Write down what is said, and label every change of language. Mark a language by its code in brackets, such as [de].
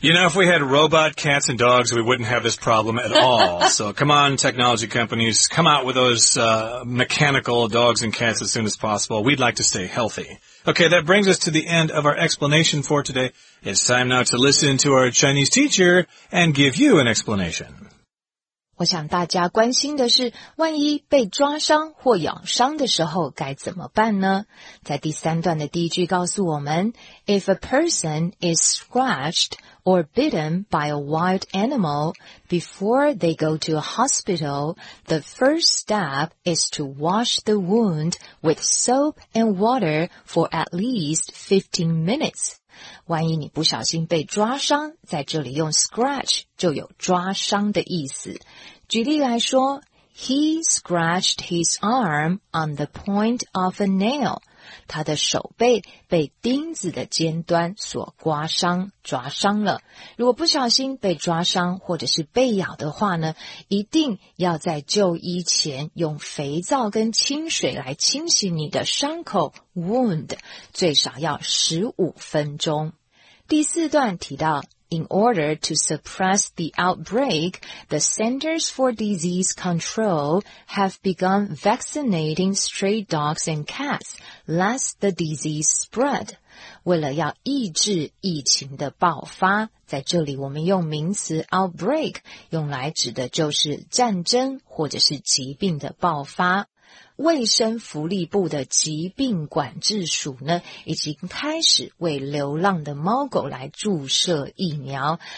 [en] You know, if we had robot cats and dogs, we wouldn't have this problem at all. So come on, technology companies, come out with those mechanical dogs and cats as soon as possible. We'd like to stay healthy. Okay, that brings us to the end of our explanation for today. It's time now to listen to our Chinese teacher and give you an explanation. [zh] 我想大家关心的是，万一被抓伤或咬伤的时候该怎么办呢？在第三段的第一句告诉我们 [en] ,If a person is scratched or bitten by a wild animal, before they go to a hospital, the first step is to wash the wound with soap and water for at least 15 minutes. [zh] 万一你不小心被抓伤，在这里用 scratch 就有抓伤的意思。举例来说 [en] ,he scratched his arm on the point of a nail. [zh] 他的手背被钉子的尖端所刮伤，抓伤了。如果不小心被抓伤或者是被咬的话呢，一定要在就医前用肥皂跟清水来清洗你的伤口 ,wound, 最少要15分钟。第四段提到 [en] In order to suppress the outbreak, the Centers for Disease Control have begun vaccinating stray dogs and cats, lest the disease spread. [zh] 为了要抑制疫情的爆发，在这里我们用名词 outbreak, 用来指的就是战争或者是疾病的爆发。卫生福利部的疾病管制署呢，已经开始为流浪的猫狗来注射疫苗。